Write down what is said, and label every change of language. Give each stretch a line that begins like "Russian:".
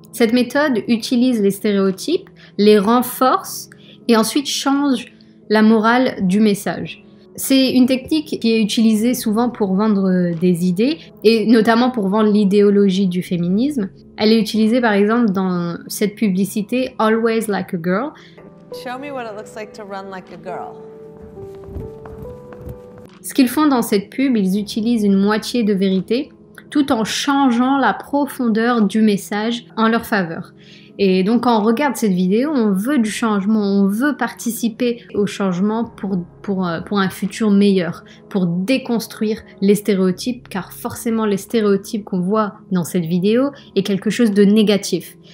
French: Cette méthode utilise les stéréotypes, les renforce et ensuite change la morale du message. C'est une technique qui est utilisée souvent pour vendre des idées et notamment pour vendre l'idéologie du féminisme. Elle est utilisée par exemple dans cette publicité Always Like a Girl.
English: Show me what it looks like to run like a girl.
French: Ce qu'ils font dans cette pub, ils utilisent une moitié de vérité tout en changeant la profondeur du message en leur faveur. Et donc, quand on regarde cette vidéo, on veut du changement, on veut participer au changement pour un futur meilleur, pour déconstruire les stéréotypes, car forcément, les stéréotypes qu'on voit dans cette vidéo est quelque chose de négatif.